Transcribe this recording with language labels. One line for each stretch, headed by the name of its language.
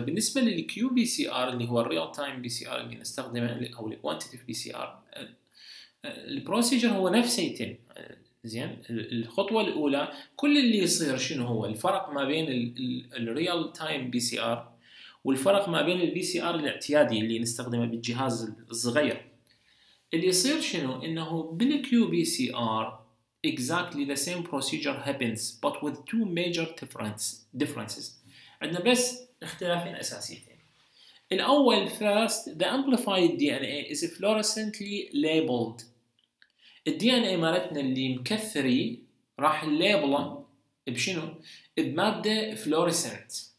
Arabic: بالنسبه للكيو بي سي ار اللي هو الريال تايم بي سي ار اللي نستخدمه, او الكوانتيتيف بي سي ار, البروسيجر هو نفسه يتم. زين, الخطوه الاولى كل اللي يصير شنو هو الفرق ما بين الريال تايم بي سي ار والفرق ما بين البي سي ار الاعتيادي اللي نستخدمه بالجهاز الصغير. اللي يصير شنو؟ انه بالكيو بي سي ار
English: exactly the same procedure happens but with two major differences.
Arabic: عندنا بس اختلافين اساسيتين. الاول,
English: first, the amplified DNA is fluorescently labeled.
Arabic: الدي ان اي مالتنا اللي مكثري راح نليبله بشنو؟ بماده فلوريسنت.